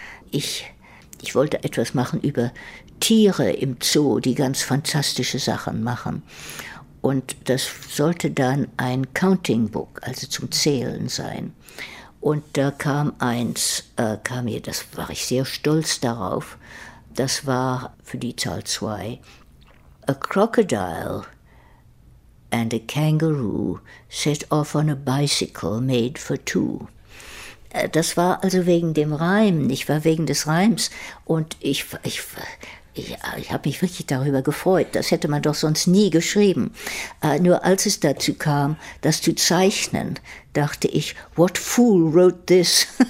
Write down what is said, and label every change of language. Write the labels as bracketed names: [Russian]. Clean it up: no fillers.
[German] Ich wollte etwas machen über Tiere im Zoo, die ganz fantastische Sachen machen. Und das sollte dann ein Counting Book, also zum Zählen sein. Und da kam eins, das war ich sehr stolz darauf, das war für die Zahl 2. [English] A crocodile and a kangaroo set off on a bicycle made for two. [German] Das war also wegen dem Reim, nicht wahr, wegen des Reims. Und ich habe mich wirklich darüber gefreut. Das hätte man doch sonst nie geschrieben. Nur als es dazu kam, das zu zeichnen, dachte ich, [English] what fool wrote this?